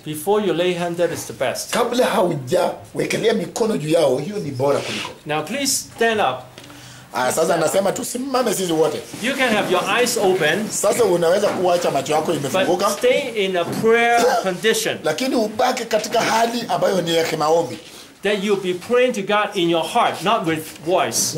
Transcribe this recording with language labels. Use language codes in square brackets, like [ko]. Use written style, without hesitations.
[en] Before you lay hand, that is the best. [sw] Kabla haujawekelea mikono juu yao, hiyo ni bora kuliko. [en] Now please stand up. [sw] Sasa nasema tusimame sisi wote. [en] You can have your eyes open. [sw] Sasa unaweza kuacha macho yako imefunguka. [en] But stay in a prayer condition. [sw] Lakini ubaki katika hali ambayo ni ya kimaombi. [en] That you'll be praying to God in your heart, not with voice.